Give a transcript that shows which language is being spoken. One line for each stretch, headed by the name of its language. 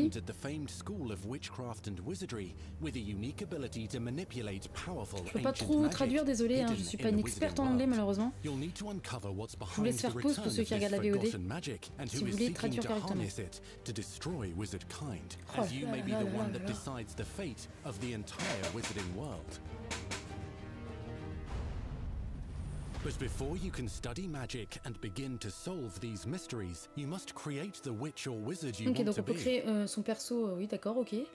English: You're a new student at the famed school of witchcraft and wizardry, with a unique ability to manipulate powerful ancient magic.
French: Je peux pas trop traduire, désolé, hein, je suis pas une experte en anglais malheureusement.
English: You'll need to uncover what's behind the return of this forgotten magic, and who is seeking to harness it to destroy wizardkind, as you may be the one that decides the fate of the entire wizarding world. But before you can study magic and begin to solve these mysteries, you must create the witch or wizard you want to be.
French: Ok, donc on peut créer son perso, oui, d'accord, ok.